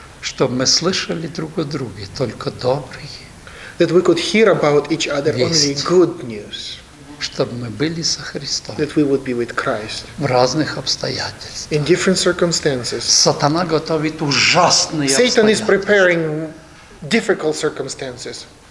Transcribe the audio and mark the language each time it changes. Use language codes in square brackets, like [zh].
[ru] Чтобы мы слышали друг о друге только добрые. [en] That we could hear about each other only good news. [ru] Чтобы мы были со Христом. [en] That we would be with Christ. [ru] В разных обстоятельствах. [en] In different circumstances. [ru] Сатана готовит ужасные [en] Satan Is preparing difficult circumstances.